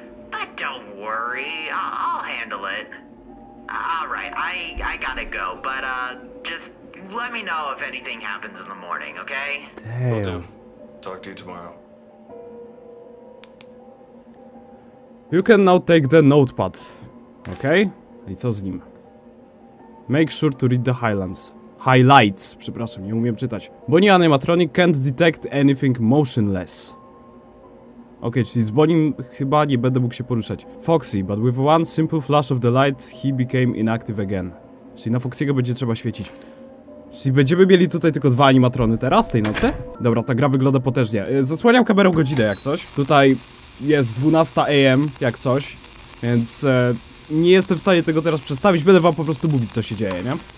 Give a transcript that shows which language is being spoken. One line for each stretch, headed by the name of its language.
English: But don't worry, I'll handle it. All right, I gotta go, but just let me know if anything happens in the morning, okay? Damn. Will do. Talk to you tomorrow. You can now take the notepad. Okej? Okay?
Polish: I co z nim?
English: Make sure to read the highlights.
Polish: Highlights, przepraszam, nie umiem czytać.
English: Bonnie animatronic can't detect anything motionless.
Polish: Okej, okay, czyli z Bonnie chyba nie będę mógł się poruszać.
English: Foxy, but with one simple flash of the light, he became inactive again.
Polish: Czyli na Foxy'ego będzie trzeba świecić. Czyli będziemy mieli tutaj tylko dwa animatrony teraz, tej nocy? Dobra, ta gra wygląda potężnie. Zasłaniam kamerą godzinę, jak coś. Tutaj jest 12 AM, jak coś. Więc nie jestem w stanie tego teraz przedstawić, będę wam po prostu mówić, co się dzieje, nie?